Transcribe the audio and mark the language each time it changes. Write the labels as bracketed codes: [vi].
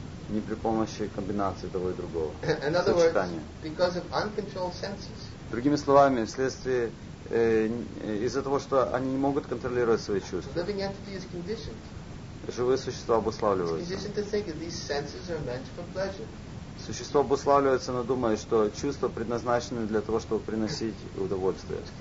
[ru] не при помощи комбинации того и другого. [en] In other [ru] сочетания. [en] Words, because of uncontrolled senses. [ru] Другими словами, вследствие из-за того, что они не могут контролировать свои чувства. [en] Living entity is conditioned. [ru] Живые существа обуславливаются. [en] It's conditioned to think that these senses are meant for pleasure. [ru] Существо обуславливается, но думает, что чувства предназначены для того, чтобы приносить удовольствие.